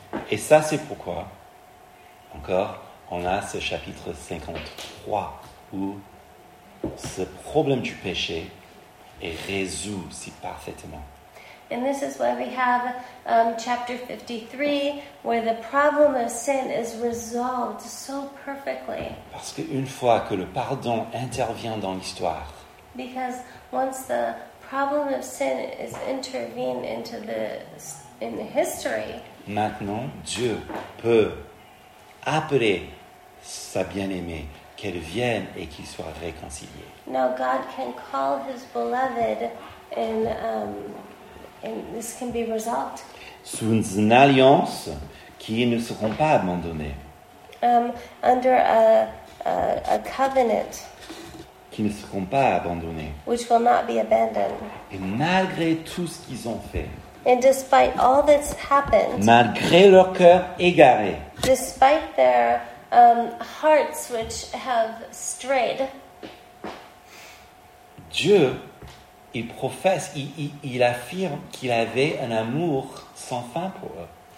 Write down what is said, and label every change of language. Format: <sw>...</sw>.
<fr>Et ça, c'est pourquoi, encore, on a ce chapitre 53, où ce problème du péché est résolu si parfaitement.</fr> <en>And this is why we have chapter 53, where the problem of sin is resolved so perfectly.</en> <fr>Parce qu'une fois que le pardon intervient dans l'histoire,</fr> <en>because once the problem of sin is intervened into the in the history.</en> <fr>Maintenant, Dieu peut appeler sa bien-aimée qu'elle vienne et qu'il soit réconcilié.</fr> <en>Now God can call his beloved and and this can be resolved.</en> <fr>Sous une alliance qui ne seront pas abandonnées.</fr> <en>Under a covenant.</en> <fr>Qui ne seront pas abandonnées.</fr> <en>Which will not be abandoned.</en> <fr>Et malgré tout ce qu'ils ont fait.</fr> <en>And despite all that's happened.</en> <fr>Malgré leur cœur égaré.</fr> <en>Despite their hearts which have strayed.</en> <fr>Dieu, il professe, il affirme qu'il avait un amour sans fin pour eux.</fr>